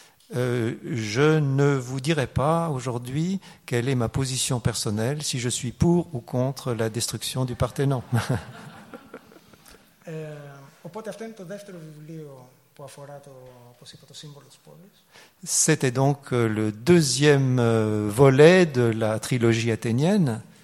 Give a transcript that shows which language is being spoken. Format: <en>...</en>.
<fr>Je ne vous dirai pas aujourd'hui quelle est ma position personnelle, si je suis pour ou contre la destruction du Parthénon.</fr> <el>Οπότε αυτό είναι το δεύτερο βιβλίο που αφορά το, όπως είπα, το σύμβολο της πόλης.</el> <fr>C'était donc le deuxième volet de la trilogie athénienne.</fr>